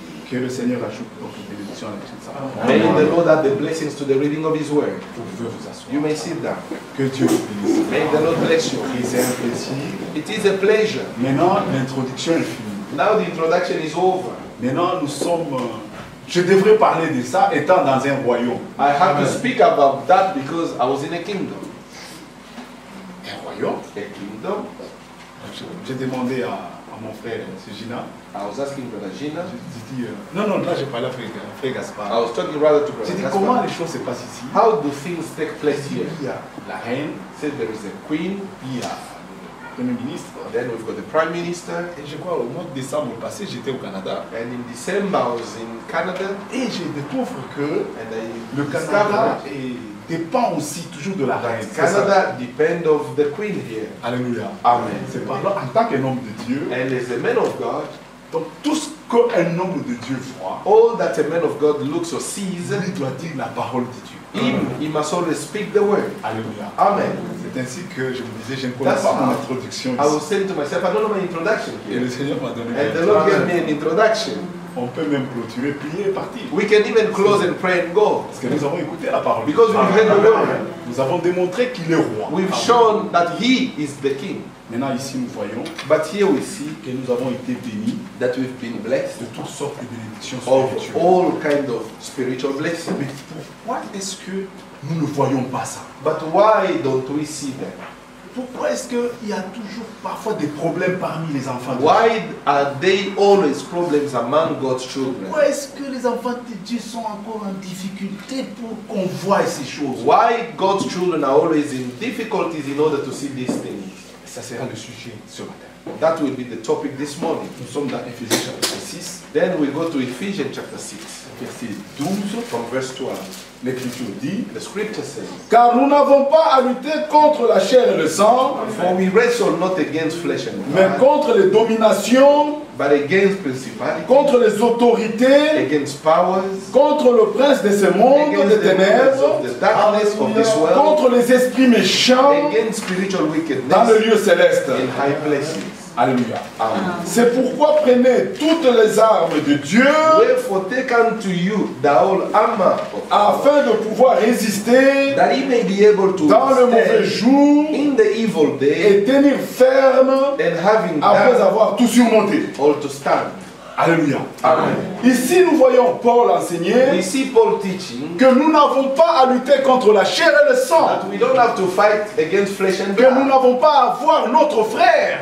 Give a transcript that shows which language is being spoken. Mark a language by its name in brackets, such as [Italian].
[French] Que le Seigneur ajoute votre bénédiction à l'écriture. [English] May the Lord add the blessings to the reading of His word. [French] Vous pouvez vous asseoir. [English] You may sit down. [French] Que Dieu vous bénisse. [English] May the Lord bless you. [French] C'est un plaisir. [English] It is a pleasure. [French] Maintenant, l'introduction est finie. [English] Now the introduction is over. [French] Maintenant, nous sommes. Je devrais parler de ça étant dans un royaume. [English] I have to speak about that because I was in a kingdom. [French] Un royaume? [English] A kingdom. [French] J'ai demandé à mon frère, c'est Gina. [English] I was asking Brother Gina. [French] Non, là je parlais à Frère Gaspard. [English] I was talking rather to Brother [French] Gaspard. J'ai dit comment les choses se passent ici. [English] How do things take place here? [French] Il y a la reine. [English] Said there is a queen. [French] Il y a le premier ministre. [English] Then we've got the prime minister. [French] Et je crois au mois de décembre passé, j'étais au Canada. [English] And in December I was in Canada. [French] Et j'ai découvert que le Canada dépend aussi toujours de la reine. [English] Canada depend of the queen here. [French] Alléluia. [English] Amen. [French] C'est pas là en tant qu'un homme de Dieu. [English] And as a man of God. [French] Donc tout ce qu'un homme de Dieu voit, [English] all that a man of God looks or sees, [French] il doit dire la parole de Dieu. [English] He must always speak the word. [French] Alléluia. [English] Amen. [French] C'est ainsi que je vous disais, je ne connais pas mon introduction. [English] I was saying to myself, I don't know my introduction. [French] Et le Seigneur m'a donné. [English] And the Lord gave me an introduction. [French] On peut même clôturer, prier et partir. [English] We can even close and pray and go. [French] Parce que nous avons écouté la parole. [English] Because we heard the word. [French] Nous avons démontré qu'il est roi. [English] We've shown that he is the king. [French] Maintenant ici nous voyons. [English] But here we see [French] que nous avons été bénis. [English] That we've been blessed. [French] De toutes sortes de bénédictions spirituelles. [English] Of all kind of spiritual blessings. [French] Mais pourquoi est-ce que nous ne voyons pas ça? [English] But why don't we see them? [French] Pourquoi est-ce qu'il y a toujours parfois des problèmes parmi les enfants de Dieu? [English] Why are they always problems among God's children? [French] Pourquoi est-ce que les enfants de Dieu sont encore en difficulté pour qu'on voie ces choses? [English] Why God's children are always in difficulties in order to see these things? [French] Ça sera le sujet ce matin. [English] That will be the topic this morning. [French] Nous sommes dans Ephésiens chapitre 6. [English] Then we go to Ephesians chapter 6. [French] Verset 12. [English] From verse 12. [French] L'Écriture dit, [English] the scripture says, [French] car nous n'avons pas à lutter contre la chair et le sang, [English] for we wrestle not against flesh and blood, [French] mais contre les dominations, [English] but against principalities, [French] contre les autorités, [English] against powers, [French] contre le prince de ce monde des ténèbres, [English] of the darkness of this world, [French] contre les esprits méchants, [English] against spiritual wickedness, [French] dans le lieu céleste, [English] in high places. [French] Alléluia. [English] Amen. [French] C'est pourquoi prenez toutes les armes de Dieu, [English] therefore take unto you the whole armor of God, [French] afin de pouvoir résister, [English] that he may be able to [French] dans le mauvais jour, [English] in the evil day, [French] et tenir ferme, [English] and having [French] après avoir tout surmonté, [English] all to stand. [French] Alléluia. [English] Amen. [French] Ici nous voyons Paul enseigner, [English] we see Paul teaching, [French] que nous n'avons pas à lutter contre la chair et le sang, [English] that we don't have to fight against flesh and blood, [French] que nous n'avons pas à voir notre frère,